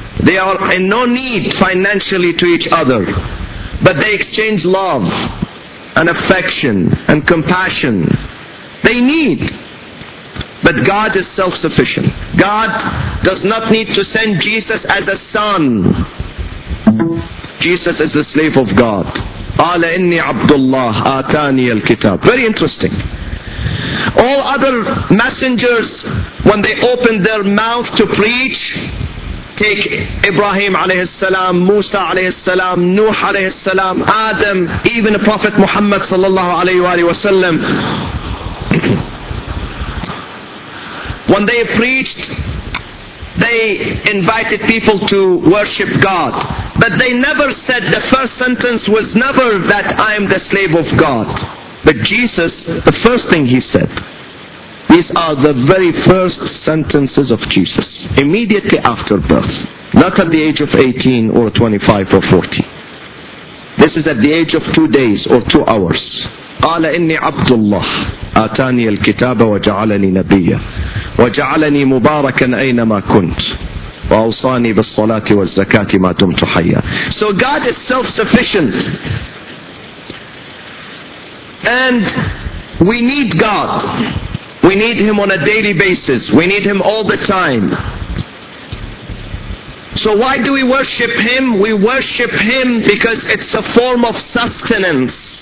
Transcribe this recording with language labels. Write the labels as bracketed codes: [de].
[en] They are in no need financially to each other. But they exchange love and affection and compassion. They need. But God is self-sufficient. God does not need to send Jesus as a son. Jesus is the slave of God. [ar] قال إني عبد الله آتاني الكتاب. [en] Very interesting. All other messengers, when they opened their mouth to preach, take Ibrahim عليه السلام, Musa عليه السلام, Nuh عليه السلام, Adam, even Prophet Muhammad صلى الله عليه وآله وسلم. When they preached, they invited people to worship God. But they never said, the first sentence was never that I am the slave of God. But Jesus, the first thing he said, these are the very first sentences of Jesus, immediately after birth, not at the age of 18 or 25 or 40. This is at the age of 2 days or 2 hours. [ar] قال إني عبد الله آتاني الكتاب وجعلني نبيا وجعلني مباركا أينما كنت وأوصاني بالصلاة والزكاة ما دمت حيا. [en] So God is self-sufficient. And we need God. We need Him on a daily basis. We need Him all the time. So why do we worship Him? We worship Him because it's a form of sustenance.